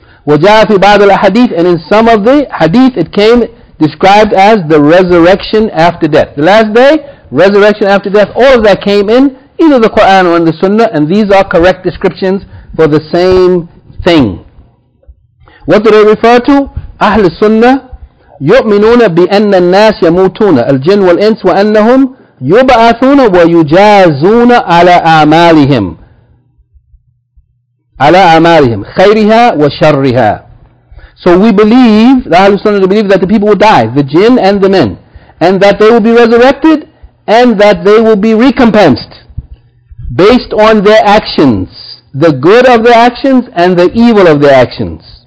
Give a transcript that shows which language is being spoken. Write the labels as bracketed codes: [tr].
[ar] وجاء في بعض الأحاديث, [en] and in some of the hadith it came described as the resurrection after death. The last day, resurrection after death, all of that came in either the Quran or in the Sunnah, and these are correct descriptions for the same thing. What do they refer to? [ar] أهل السنة يؤمنون بأن الناس يموتون الجن والإنس وأنهم يبعثون ويجازون على أعمالهم على أعمالهم خيرها وشرها. [en] So we believe, the Ahlul Sunnah believe, that the people will die, the jinn and the men, and that they will be resurrected, and that they will be recompensed based on their actions, the good of their actions and the evil of their actions.